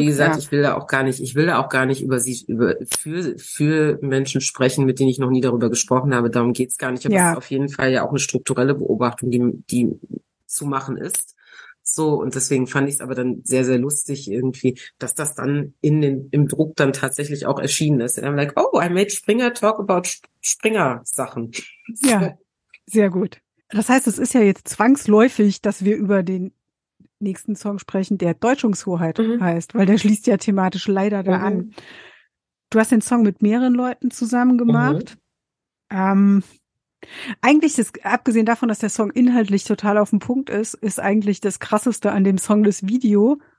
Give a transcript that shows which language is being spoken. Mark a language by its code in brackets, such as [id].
[de] Ich will da auch gar nicht über sie, für Menschen sprechen, mit denen ich noch nie darüber gesprochen habe. Darum geht's gar nicht. Aber es ist auf jeden Fall ja auch eine strukturelle Beobachtung, die zu machen ist. So, und deswegen fand ich es aber dann sehr, sehr lustig irgendwie, dass das dann im Druck dann tatsächlich auch erschienen ist. [en] And I'm like, oh, I made Springer talk about Springer-Sachen. [de] Ja, sehr gut. Das heißt, es ist ja jetzt zwangsläufig, dass wir über den nächsten Song sprechen, der Deutschungshoheit heißt, weil der schließt ja thematisch leider da an. Du hast den Song mit mehreren Leuten zusammen gemacht. Eigentlich, abgesehen davon, dass der Song inhaltlich total auf dem Punkt ist, ist eigentlich das Krasseste an dem Song das Video.